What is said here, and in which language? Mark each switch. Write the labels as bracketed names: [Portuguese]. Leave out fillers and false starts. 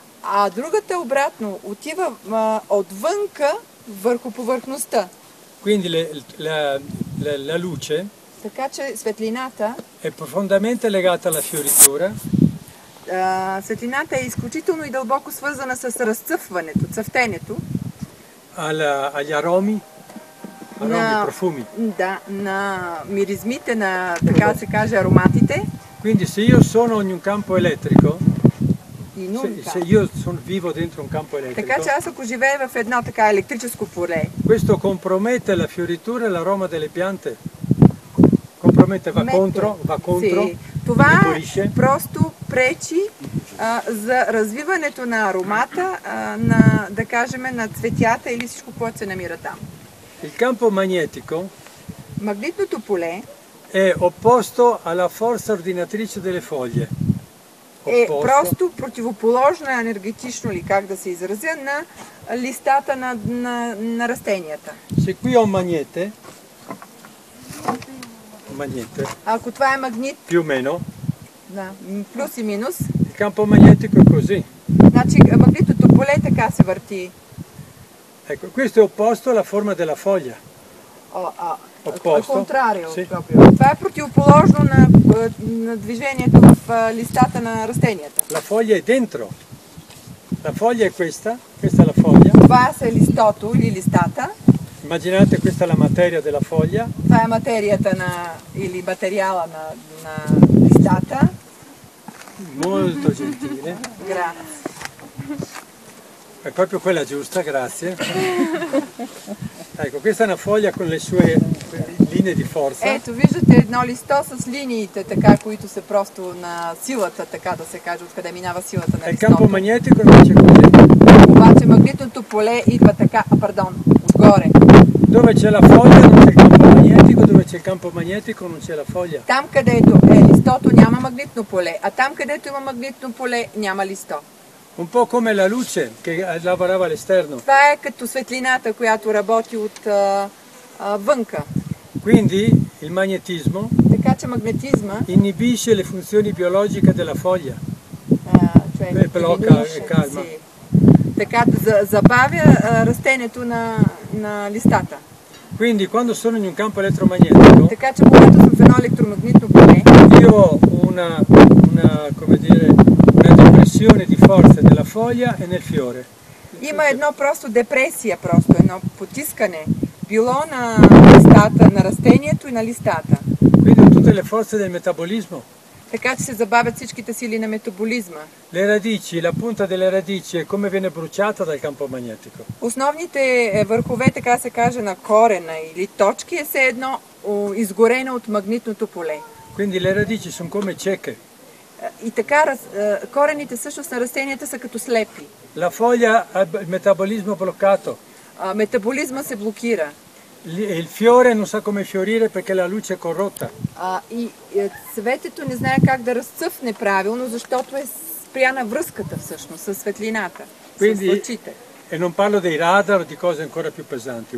[Bulgarian] А другата обратно отива отвънка върху повърхността. [Italian] Quindi la luce. [Bulgarian] Така че светлината [Italian] è profondamente legata alla fioritura. [Bulgarian] Светлината е изключително и дълбоко свързана с разцъфването, цъфтението. [Italian] Agli aromi. Aromi, profumi. [Bulgarian] Да, на миризмите, на така да се каже, ароматите. [Italian] Quindi se io sono in un campo elettrico. Se io sono vivo dentro un campo elettrico. [Bulgarian] Така че аз ако живея в едно така електрическо поле. [Italian] Questo compromette la fioritura e l'aroma delle piante. Compromette, va contro, va contro. [Bulgarian] Това просто пречи за развиването на аромата, на, да кажем, на цветята или всичко, което се намира там. [Italian] Il campo magnetico. [Bulgarian] Магнитното поле. [Italian] È opposto alla forza ordinatrice delle foglie. [Bulgarian] Е просто противоположно енергетично ли, как да се изразя, на листата на растенията. [Italian] Се qui ho magnete. Magnete. [Bulgarian] Ако това е магнит. [Italian] Più o meno. [Bulgarian] Да, плюс и минус. [Italian] Il campo magnetico è così. [Bulgarian] Значи магнитното поле така се върти. [Italian] Ecco, questo è opposto alla forma della foglia. Opposto. Contrario, sì. Proprio. [Bulgarian] Това е противоположно на движението в листата на растенията. [Italian] La foglia è dentro. La foglia è questa. Questa è la foglia. [Bulgarian] Това е листото или листата. [Italian] Immaginate, questa è la materia della foglia. [Bulgarian] Това е материята или материала на листата. [Italian] Molto gentile. Grazie. È proprio quella giusta, grazie. Ecco, questa è una foglia con le sue linee di forza. [Bulgarian] Ето, виждате едно листо с линиите, така, които са просто на силата, така да се каже, откъде минава силата на листото. [Italian] Е кампо магнетико, значи [Bulgarian] кое? Обаче магнитното поле идва така, отгоре. [Italian] Dove c'è la foglia non c'è il campo magnetico, dove c'è il campo magnetico non c'è la foglia. [Bulgarian] Там където е листото, няма магнитно поле, а там където има магнитно поле, няма листо. [Italian] Un po' come la luce che lavorava all'esterno. [Bulgarian] Това е като светлината, която работи от вънка. [Italian] Quindi il magnetismo. [Bulgarian] Така че магнетизма [Italian] inibisce le funzioni biologiche della foglia. Cioè blocca e calma. Sì. [Bulgarian] Така забавя растението на листата. [Italian] Quindi quando sono in un campo elettromagnetico. [Bulgarian] Така че когато съм в едно електромагнитно поле. [Italian] Io ho una come dire pressione di forza della foglia e nel fiore. [Bulgarian] Има едно просто депресия, просто едно потискане било на листата, на растението и на листата. [Italian] Vedo tutte le forze del metabolismo. [Bulgarian] Така че се забавят всичките сили на метаболизма. [Italian] Le radici, la punta delle radici come viene bruciata dal campo magnetico. [Bulgarian] Основните върхове, така се каже, на корена или точки е все едно изгорено от магнитното поле. [Italian] Quindi le radici sono come cieche. [Bulgarian] И така корените всъщност на растенията са като слепи. [Italian] La foglia ha il metabolismo bloccato. [Bulgarian] Метаболизма се блокира. [Italian] Il fiore non sa come fiorire perché la luce è corrotta. [Bulgarian] И цветето не знае как да разцъфне правилно, защото е спряна връзката всъщност със светлината. [Italian] Quindi, [Bulgarian] с лъчите. [Italian] E non parlo dei radar o di cose ancora più pesanti.